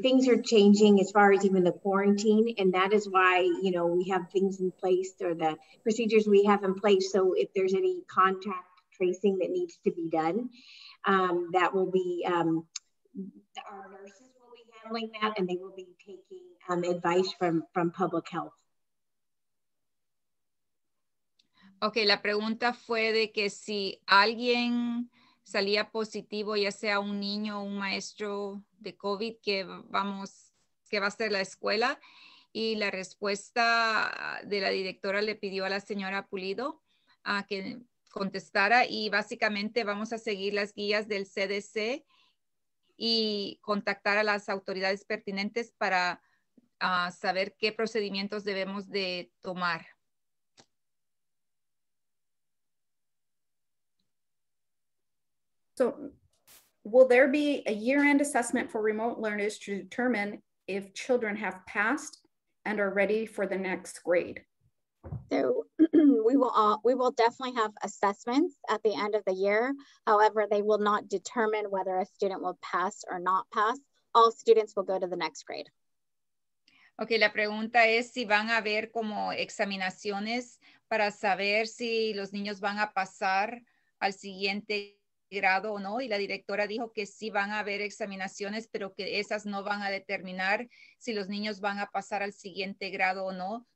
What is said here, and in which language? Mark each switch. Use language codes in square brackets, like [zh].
[en] Things are changing as far as even the quarantine, and that is why, you know, we have things in place, or the procedures we have in place. So if there's any contact tracing that needs to be done, that will be, our nurses will be handling that, and they will be taking advice from public health. [es] Okay, la pregunta fue de que si alguien salía positivo, ya sea un niño o un maestro de COVID que va a hacer la escuela. Y la respuesta de la directora le pidió a la señora Pulido a que contestara, y básicamente vamos a seguir las guías del CDC y contactar a las autoridades pertinentes para saber qué procedimientos debemos de tomar. [en] So, will there be a year-end assessment for remote learners to determine if children have passed and are ready for the next grade? So we will definitely have assessments at the end of the year. However, they will not determine whether a student will pass or not pass. All students will go to the next grade. [es] Okay, la pregunta es si van a haber como examinaciones para saber si los niños van a pasar al siguiente grado o no. Y la directora dijo que sí van a haber examinaciones, pero que esas no van a determinar si los niños van a pasar al siguiente grado o no.